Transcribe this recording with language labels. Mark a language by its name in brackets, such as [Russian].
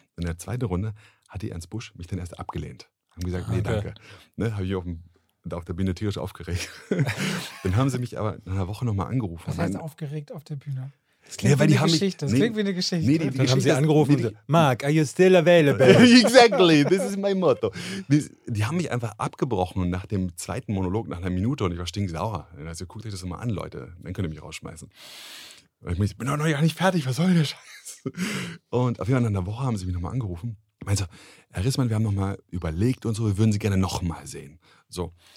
[German] In der zweiten Runde hat die Ernst Busch mich dann erst abgelehnt. Haben gesagt, okay. Nee, danke. Ne, habe ich auf der Bühne tierisch aufgeregt. Dann haben sie mich aber in einer Woche nochmal angerufen. Was heißt aufgeregt auf der Bühne? Das klingt wie eine Geschichte. Nee, dann haben sie angerufen und gesagt, Marc, [English] are you still available? Exactly, this is my motto. [German] Die haben mich einfach abgebrochen nach dem zweiten Monolog, nach einer Minute und ich war stinksauer. Also guckt euch das mal an, Leute, dann könnt ihr mich rausschmeißen. Und ich bin noch gar nicht fertig, was soll denn der Scheiß? Und auf jeden Fall in der Woche haben sie mich nochmal angerufen. Ich meinte so, Herr Rissmann, wir haben nochmal überlegt und so, wir würden Sie gerne nochmal sehen. So.